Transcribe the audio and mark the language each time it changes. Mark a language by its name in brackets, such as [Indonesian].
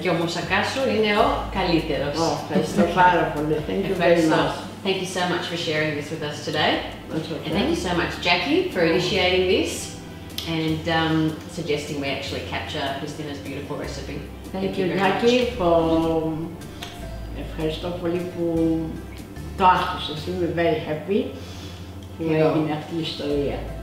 [Greek] Και ο Moussakas σου είναι ο καλύτερος. [English] Oh, thank you. [Greek] Πάρα πολύ. [English] Thank you very much. Thank you so much for sharing this with us today. That's okay. And thank you so much, Jacqui, for initiating this and suggesting we actually capture Christina's beautiful recipe. Thank you very Jacqui, much. [Greek] Ευχαριστώ πολύ που το άκουσες. Είμαι [English] very happy [Greek] που έγινε αυτή η ιστορία.